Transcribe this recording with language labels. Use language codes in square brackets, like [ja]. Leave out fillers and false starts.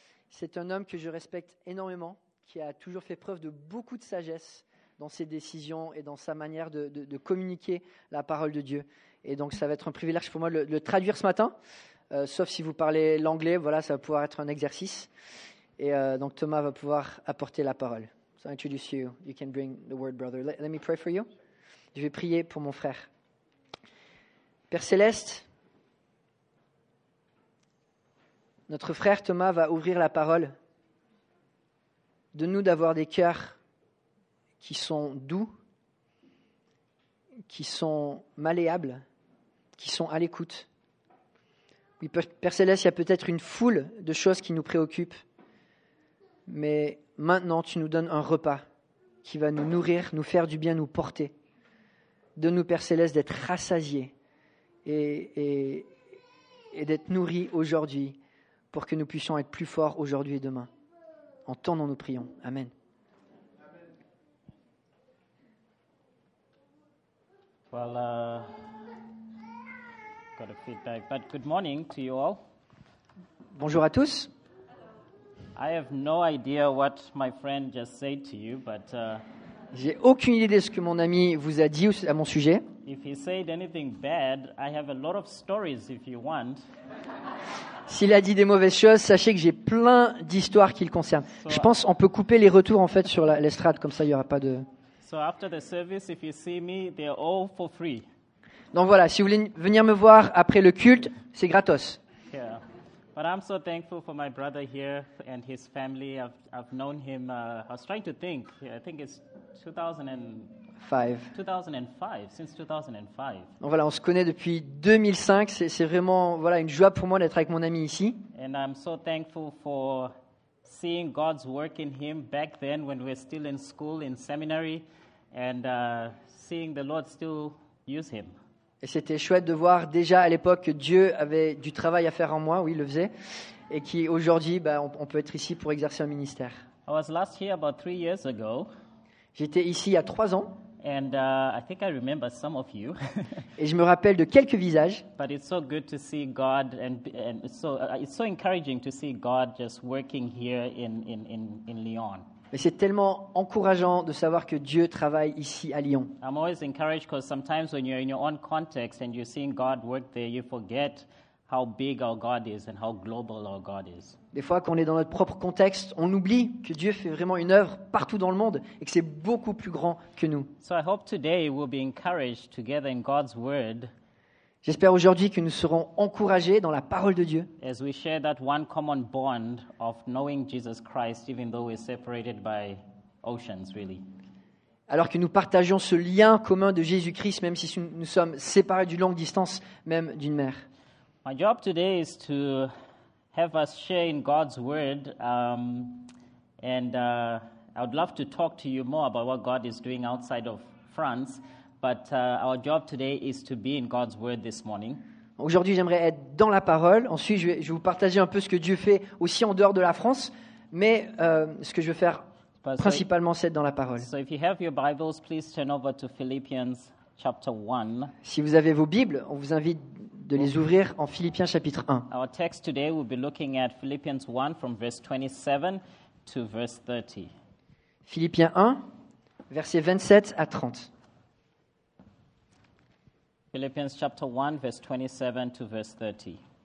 [fr] C'est un homme que je respecte énormément, qui a toujours fait preuve de beaucoup de sagesse dans ses décisions et dans sa manière de communiquer la parole de Dieu. Et donc ça va être un privilège pour moi de le traduire ce matin, sauf si vous parlez l'anglais, voilà, ça va pouvoir être un exercice. Et donc Thomas va pouvoir apporter la parole. [en] So I introduce you, you can bring the word, brother. Let me pray for you. [fr] Je vais prier pour mon frère. Père Céleste, notre frère Thomas va ouvrir la parole. De nous d'avoir des cœurs qui sont doux, qui sont malléables, qui sont à l'écoute. Oui, Père Céleste, il y a peut-être une foule de choses qui nous préoccupent, mais maintenant tu nous donnes un repas qui va nous nourrir, nous faire du bien, nous porter. Donne-nous, Père Céleste, d'être rassasiés. Et d'être nourri aujourd'hui pour que nous puissions être plus forts aujourd'hui et demain. En ton nom, nous prions. Amen. Amen. [en] Well, got a feedback, but good morning to you all. [fr] Bonjour à tous. [en] I have no idea what my friend just said to you, but. [fr] J'ai aucune idée de ce que mon ami vous a dit à mon sujet. [en] If he said anything bad, I have a lot of stories if you want. [fr] S'il a dit des mauvaises choses, sachez que j'ai plein d'histoires qui le concernent. So, je pense qu'on peut couper les retours en fait sur l'estrade, comme ça il n'y aura pas de... [en] So after the service, if you see me, they're all for free. [fr] Donc voilà, si vous voulez venir me voir après le culte, c'est gratos. [en] Yeah. But I'm so thankful for my brother here and his family. I've known him, I was trying to think, I think it's 2005, since 2005. [fr] Donc voilà, on se connaît depuis 2005, c'est vraiment voilà, une joie pour moi d'être avec mon ami ici. [en] And I'm so thankful for seeing God's work in him back then when we were still in school, in seminary, and seeing the Lord still use him. [fr] Et c'était chouette de voir déjà à l'époque que Dieu avait du travail à faire en moi, oui, il le faisait, et qu'aujourd'hui, bah, on peut être ici pour exercer un ministère. [en] I was last here about 3 years ago. [fr] J'étais ici il y a 3 ans. [en] And I think I remember some of you. [fr] Et je me rappelle de quelques visages. [en] But it's so good to see God, and it's so encouraging to see God just working here in Lyon. [fr] Mais c'est tellement encourageant de savoir que Dieu travaille ici à Lyon. [en] I'm always encouraged because sometimes when you're in your own context and you're seeing God work there, you forget how big our God is and how global our God is. [fr] Des fois, quand on est dans notre propre contexte, on oublie que Dieu fait vraiment une œuvre partout dans le monde et que c'est beaucoup plus grand que nous. [en] So I hope today we'll be encouraged together in God's word. [fr] J'espère aujourd'hui que nous serons encouragés dans la parole de Dieu. [en] As we share that one common bond of knowing Jesus Christ, even though we're separated by oceans, really. [fr] Alors que nous partageons ce lien commun de Jésus-Christ, même si nous sommes séparés d'une longue distance, même d'une mer. [en] My job today is to have us share in God's word, I would love to talk to you more about what God is doing outside of France. But our job today is to be in God's word this morning. [fr] Aujourd'hui, j'aimerais être dans la parole. Ensuite, je vais vous partager un peu ce que Dieu fait aussi en dehors de la France, mais ce que je veux faire principalement, c'est être dans la parole. [en] So if you have your Bibles, please turn over to Philippians chapter 1. [fr] Si vous avez vos Bibles, on vous invite de les ouvrir en Philippiens chapitre 1. [en] Our text today will be looking at Philippians 1 from verse 27 to verse 30. [fr] Philippiens 1 versets 27 à 30. [en] Philippians chapter 1, verse 27 to verse 30.